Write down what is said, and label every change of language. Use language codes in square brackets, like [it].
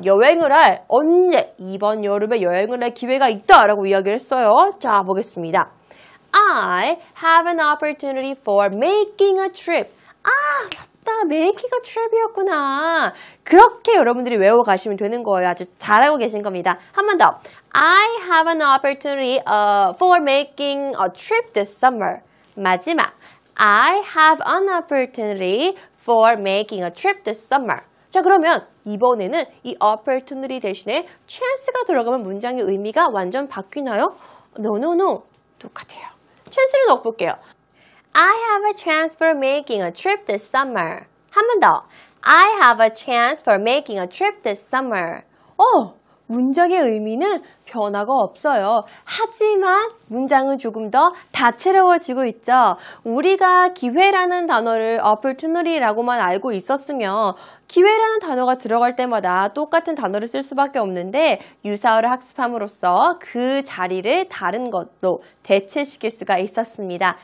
[ko] 여행을 할 언제? 이번 여름에 여행을 할 기회가 있다 라고 이야기를 했어요. 자, 보겠습니다. [en] I have an opportunity for making a trip. 아! [ko] 나 [en] making a trip [ko] 이었구나. 그렇게 여러분들이 외워가시면 되는 거예요. 아주 잘하고 계신 겁니다. 한 번 더. [en] I have an opportunity for making a trip this summer. [ko] 마지막. [en] I have an opportunity for making a trip this summer. [ko] 자, 그러면 이번에는 이 opportunity 대신에 chance가 들어가면 문장의 의미가 완전 바뀌나요? No. 똑같아요. chance를 넣어볼게요. [en] I have a chance for making a trip this summer. [ko] 한 번 더. [en] I have a chance for making a trip this summer. [ko] 문장의 의미는 변화가 없어요. 하지만 문장은 조금 더 다채로워지고 있죠. 우리가 기회라는 단어를 opportunity라고만 알고 있었으면 기회라는 단어가 들어갈 때마다 똑같은 단어를 쓸 수밖에 없는데 유사어를 학습함으로써 그 자리를 다른 것도 대체시킬 수가 있었습니다.